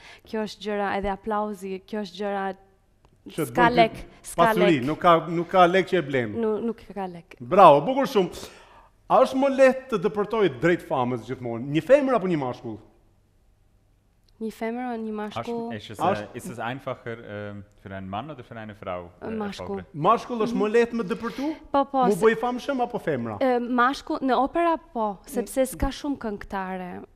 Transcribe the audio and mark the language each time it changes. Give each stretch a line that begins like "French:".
Albanian: Kjo është gjëra edhe aplauzi, kjo është gjëra ska lek, ska lek. Pasuri, nuk ka lek që e blen. Nuk ka lek. Bravo, bukur shumë. A është më lehtë të dëpërtoj drejt famës gjithmonë? Një femër apo një mashkull? Një femër apo një mashkull?
German: Ist es einfacher für einen Mann oder für eine Frau?
Albanian: Mashkull. Mashkull është më lehtë më dëpërtu? Po, po. Mu bëj famshëm apo femra? Mashkull në opera po, sepse s'ka shumë këngëtare.